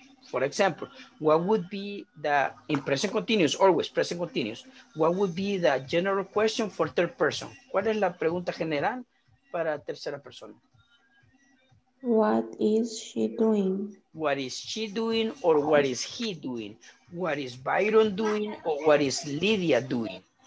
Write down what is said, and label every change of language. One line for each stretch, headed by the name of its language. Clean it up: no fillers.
English: For example, what would be the, in present continuous, always present continuous, what would be the general question for third person?
Spanish: ¿Cuál es la pregunta general para tercera persona?
English: What is she doing? What is she doing or what is he doing? What is Byron doing or what is Lydia doing?